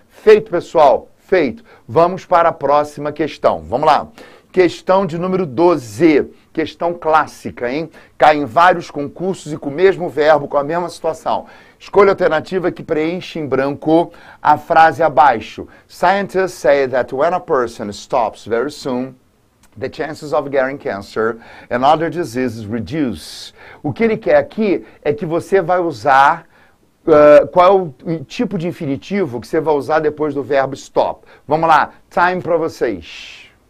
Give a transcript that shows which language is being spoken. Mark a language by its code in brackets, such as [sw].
[pt] Feito, pessoal? Feito. Vamos para a próxima questão. Vamos lá. Questão de número 12. Questão clássica, hein? Cai em vários concursos e com o mesmo verbo, com a mesma situação. Escolha a alternativa que preenche em branco a frase abaixo. [en] Scientists say that when a person stops very soon, the chances of getting cancer and other diseases reduce. [pt] O que ele quer aqui é que você vai usar qual é o tipo de infinitivo que você vai usar depois do verbo stop. Vamos lá, time para vocês.